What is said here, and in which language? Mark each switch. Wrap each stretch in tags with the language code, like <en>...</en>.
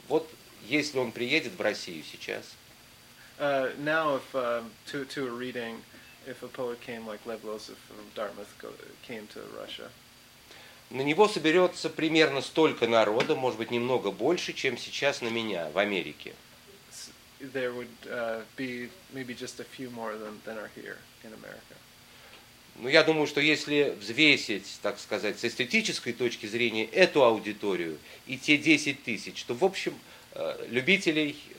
<ru>Вот если он приедет в Россию сейчас.</ru> <en>Now if to a reading, if a poet came like Lev Losev from Dartmouth came to Russia.</en> <ru>На него соберется примерно столько народа, может быть, немного больше, чем сейчас на меня в Америке.</ru> <en>There would be maybe just a few more than are here in America.</en> <ru>Ну, я думаю, что если взвесить, так сказать, с эстетической точки зрения эту аудиторию и те 10 тысяч, то, в общем, любителей</ru>